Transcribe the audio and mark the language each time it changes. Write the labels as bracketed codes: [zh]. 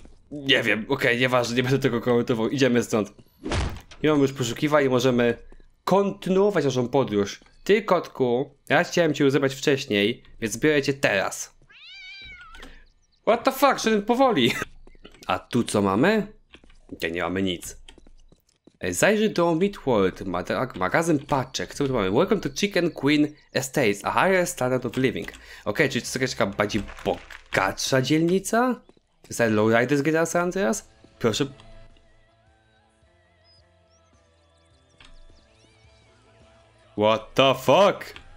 [pl] Nie wiem, okej, okay, nieważne, nie będę tego komentował. Idziemy stąd. I mamy już poszukiwa i możemy kontynuować naszą podróż. Ty, kotku, ja chciałem cię zebrać wcześniej, więc biorę cię teraz. [en] What the fuck, [pl] szedłem powoli. A tu co mamy? Nie, nie mamy nic. Zajrzyj do Midworld, magazyn paczek. Co tu mamy? [en] Welcome to Chicken Queen Estates, a higher standard of living. [pl] Okej, okay, czyli to jest taka bardziej bogatsza dzielnica? [en] Is that lowrider z GTA San Andreas? [pl] Proszę. [en] What the fuck?